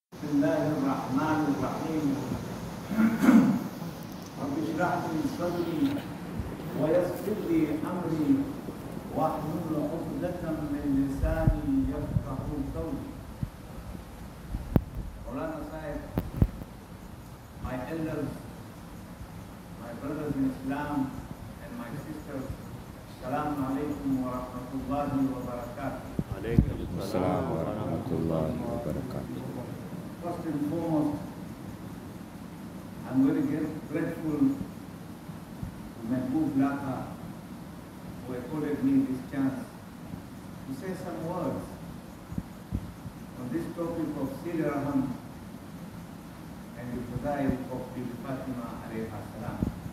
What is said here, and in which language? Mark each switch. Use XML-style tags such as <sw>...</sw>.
<ar>الله الرحمن الرحيم رب اشرح لي صدري ويسر لي امري واحلل عقدة من لساني يفقه قولي. مولانا صاحب,</ar> <en>my elders, my brothers in Islam and my sisters,</en> <ar>السلام عليكم ورحمة الله وبركاته. السلام ورحمة الله وبركاته.</ar> <en>First and foremost, I'm very grateful to my good Lata who afforded me this chance to say some words on this topic of Sidi Rahman and the Fadail of Bibi Fatima alayhi salam.</en>